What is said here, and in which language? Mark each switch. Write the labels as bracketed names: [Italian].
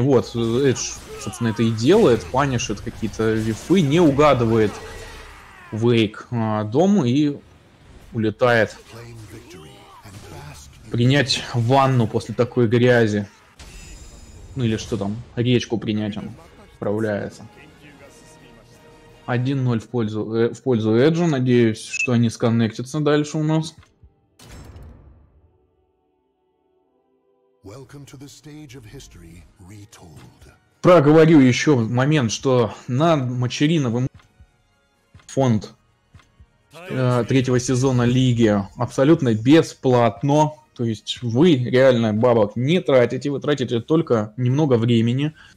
[Russian] Вот, Эдж, собственно, это и делает. Панишит какие-то вифы, не угадывает вейк дома и улетает принять ванну после такой грязи. Ну или что там, речку принять он отправляется. 1-0 в пользу Эджа. Надеюсь, что они сконнектятся дальше у нас. [English] Welcome to the stage of history retold. [Russian] Проговорю еще момент, что на Мочериновом фонд третьего сезона лиги абсолютно бесплатно. То есть вы реально бабок не тратите, вы тратите только немного времени.